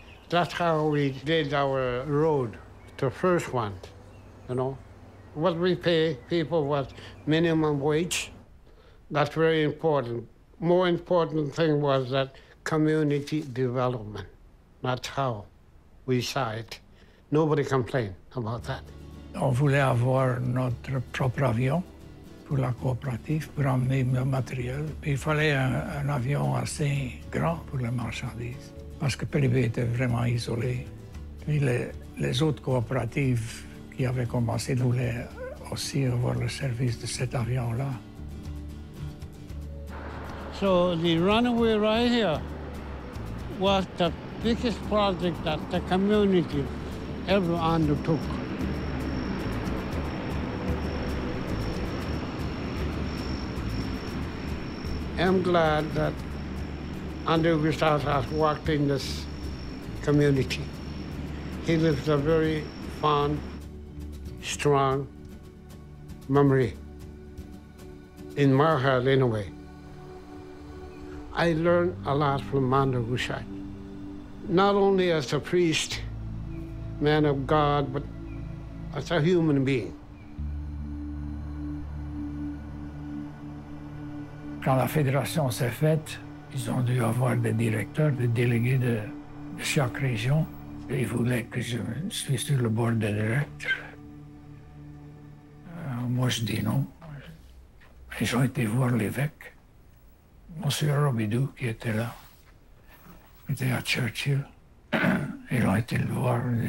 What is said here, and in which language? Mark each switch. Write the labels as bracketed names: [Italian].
[English] That's how we did our road, the first one, you know. What we pay people was minimum wage. That's very important. More important thing was that community development. That's how we saw it. Nobody complained about that. [French] On voulait avoir notre propre avion pour la coopérative, pour emmener le matériel. Puis il fallait un avion assez grand pour les marchandises, parce que Peribé était vraiment isolé. Puis les autres coopératives qui avait commencé voulait aussi avoir le service de cet avion-là. [English] So the runway right here was the biggest project that the community ever undertook. I'm glad that Andrew Gustafs has worked in this community. He lives a very fond, strong memory in my heart anyway. I learned a lot from Andrew Gustafs, not only as a priest, man of God, but as a human being. [French] Quand la fédération s'est faite, ils ont dû avoir des directeurs, des délégués de chaque région. Ils voulaient que je sois sur le board des directeurs. Moi, je dis non. Ils ont été voir l'évêque, Monsieur Robidoux, qui était là. Il était à Churchill. Ils ont été le voir.